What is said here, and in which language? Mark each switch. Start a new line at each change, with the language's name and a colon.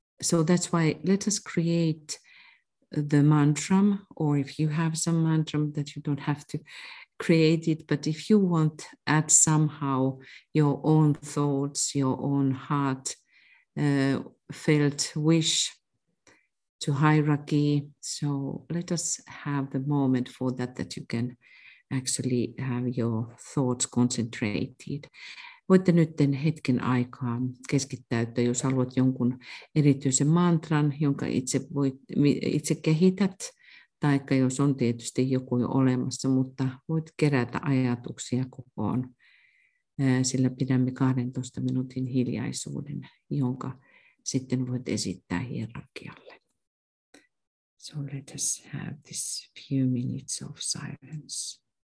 English: So that's why let us create the mantra, or if you have some mantra that you don't have to create it, but if you want add somehow your own thoughts, your own heart felt wish to hierarchy. So let us have the moment for that, that you can actually have your thoughts concentrated.
Finnish: Voitte nyt hetken aikaa keskittäyttää, jos haluat jonkun erityisen mantran, jonka itse voit, itse kehität, tai jos on tietysti joku jo olemassa, mutta voit kerätä ajatuksia kokoon, sillä pidämme 12 minuutin hiljaisuuden, jonka sitten voit esittää hierarkialle.
English: So let us have this few minutes of silence.